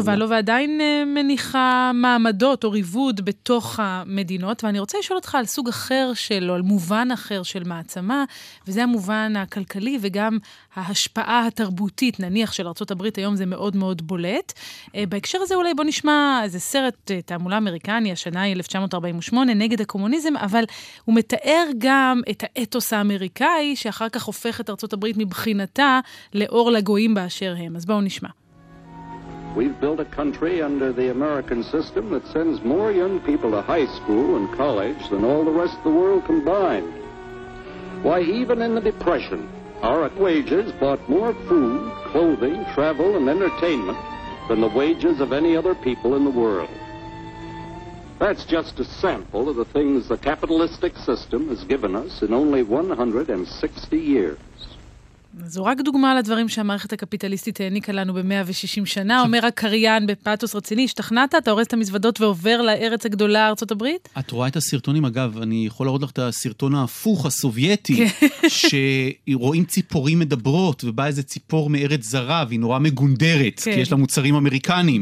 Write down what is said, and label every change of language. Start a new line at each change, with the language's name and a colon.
Hebrew: טובה לו, ועדיין מניחה מעמדות או ריבוד בתוך המדינות, ואני רוצה לשאול אותך על סוג אחר שלו, על מובן אחר של מעצמה, וזה המובן הכלכלי, וגם ההשפעה התרבותית, נניח של ארצות הברית היום זה מאוד מאוד בולט. בהקשר הזה אולי בוא נשמע איזה סרט תעמולה אמריקני, השנה 1948, נגד הקומוניזם, אבל הוא מתאר גם את האתוס האמריקאי, שאחר כך הופך את ארצות הברית מבחינתה לאור לגויים באשר הם. אז בואו נשמע.
English: We've built a country under the American system that sends more young people to high school and college than all the rest of the world combined. Why, even in the Depression, our wages bought more food, clothing, travel, and entertainment than the wages of any other people in the world. That's just a sample of the things the capitalistic system has given us in only 160 years.
Hebrew: זו רק דוגמה לדברים שהמערכת הקפיטליסטית העניקה לנו ב-160 שנה, אומר הקריין בפאתוס רציני, השתכנעת, אתה הורס את המזוודות ועובר לארץ הגדולה, ארצות הברית? את רואה את הסרטונים, אגב, אני יכול להראות לך את הסרטון ההפוך, הסובייטי, שרואים ציפורים מדברות, ובא איזה ציפור מארץ זרה, והיא נורא מגונדרת, כי יש לה מוצרים אמריקנים.